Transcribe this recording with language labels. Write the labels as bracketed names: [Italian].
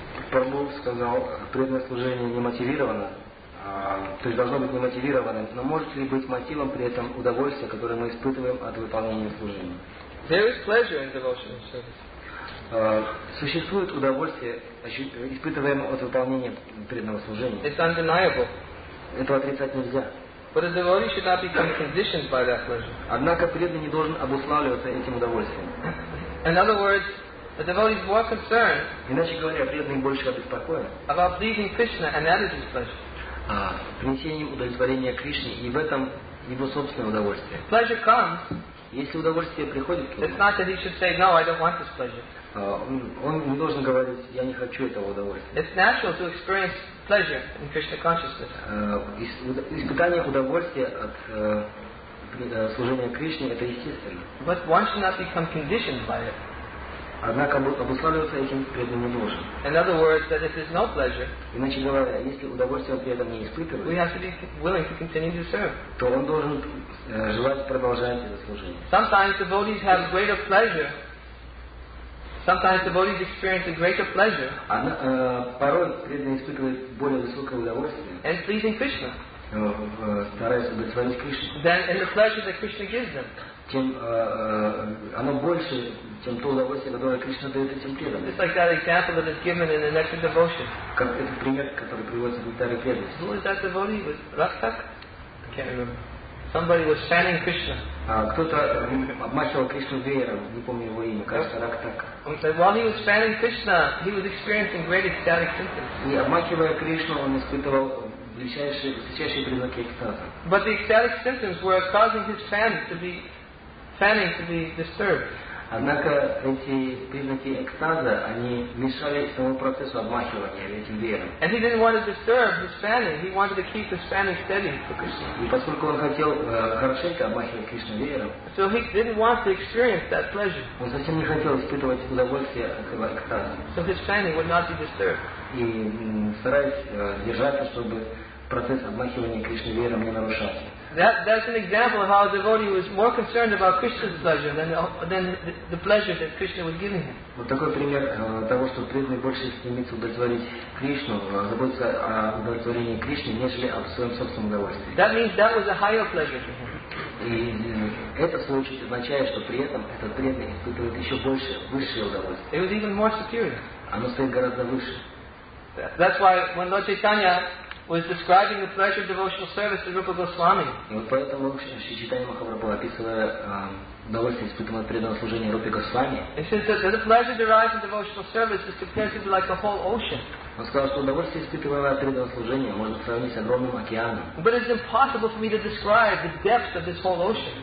[Russian] Прабхупад сказал, преданное служение не мотивировано, то есть должно быть не мотивированным, но может ли быть мотивом при этом удовольствие, которое мы испытываем от выполнения служения? [English] There is pleasure in devotional service. [Russian] Существует удовольствие, испытываемое от выполнения преданного служения. [English] It's undeniable. [Russian] Этого отрицать нельзя. [English] But a devotee should not become conditioned by that pleasure. [Russian] Однако преданный не должен обуславливаться этим удовольствием. [English] In other words, the devotee is more concerned. [Russian] Иначе говоря, преданный больше обеспокоен. [English] About pleasing Krishna, and that is his pleasure. [Russian] Принесением удовлетворения Кришне, и в этом его собственное удовольствие. [English] If pleasure comes. [Russian] Если удовольствие приходит. [English] It's not that he should say, no, I don't want this pleasure. [Russian] Он не должен говорить, я не хочу этого удовольствия. [English] It's natural to experience pleasure in Krishna consciousness. [Russian] Испытание удовольствия от служения Кришне это естественно. [English] But one should not become conditioned by it. [Russian] Однако обуславливаться этим преданным не должен. [English] In other words, that if there's no pleasure, [Russian] иначе говоря, если удовольствие при этом не испытывает, [English] we have to be willing to continue to serve. [Russian] То он должен желать продолжать это служение. [English] Sometimes devotees have greater pleasure. Sometimes devotees experience a greater pleasure. [Russian] Порой преданный испытывает более высокое удовольствие. [English] And pleasing Krishna. [Russian] Стараясь удовлетворить Кришну. [English] Then in the pleasure that Krishna gives them. [Russian] Тем оно больше, чем то удовольствие, которое Кришна дает этим преданным. [English] It's like that example that is given in the nectar devotion. [Russian] Как этот пример, который приводится в нектаре преданности. [English] Who is that devotee? Was Rastak? I can't remember. Somebody was fanning Krishna. [Russian] Кто-то обмахивал Кришну веером, не помню его имя, кажется, Рактак. [English] He said, while he was fanning Krishna, he was experiencing great ecstatic symptoms. [Russian] И обмахивая Кришну, он испытывал величайшие признаки экстаза. [English] But the ecstatic symptoms were causing his fanning to be disturbed. [Russian] Однако эти признаки экстаза, они мешали этому процессу обмахивания этим веером. [English] And he didn't want to disturb his fanning. He wanted to keep his fanning steady for Krishna. [Russian] И поскольку он хотел хорошенько обмахивать Кришну веером, [English] so he didn't want to experience that pleasure. [Russian] Он совсем не хотел испытывать удовольствие от этого экстаза. [English] So his fanning would not be disturbed. [Russian] И стараясь держаться, чтобы процесс обмахивания Кришны веером не нарушался. [English] That's an example of how a devotee was more concerned about Krishna's pleasure than the pleasure that Krishna was giving him. [Russian] Вот такой пример того, что преданный больше стремится удовлетворить Кришну, заботиться о удовлетворении Кришны, нежели о своем собственном удовольствии. [English] That means that was a higher pleasure to him. [Russian] И это в свою очередь означает, что при этом этот преданный испытывает еще больше, высшее удовольствие. [English] It was even more superior. [Russian] Оно стоит гораздо выше. [English] That's why when Lord Chaitanya was describing the pleasure of devotional service to Rupa Goswami. [Russian] И вот поэтому Шри Чайтанья Махапрабху, описывая удовольствие, испытывая преданное служение Рупе Госвами, [English] the pleasure derived in devotional service is compared to like the whole ocean. [Russian] Он сказал, что удовольствие, испытывая преданное служение, можно сравнить с огромным океаном. [English] But it's impossible for me to describe the depth of this whole ocean.